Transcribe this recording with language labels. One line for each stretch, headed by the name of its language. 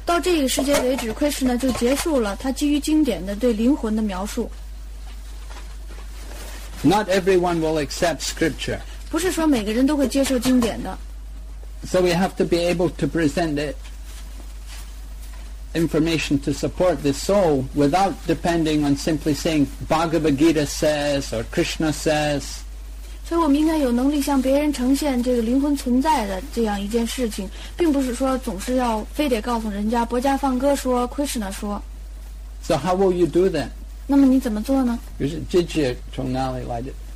Chinese: 到这个时间为止 ，Krishna 就结束了他基于经典的对灵魂的描述。
English: Not everyone will accept scripture.
Chinese: 不是说每个人都会接受经典的。
English: So we have to be able to present the information to support the soul without depending on simply saying Bhagavad Gita says or Krishna says.
Chinese: 所以我们应该有能力向别人呈现这个灵魂存在的这样一件事情，并不是说总是要非得告诉人家博家放歌说 Krishna 说。
English: So how will you do that?
Chinese: 那么你怎么做呢？就是直接从哪里来的？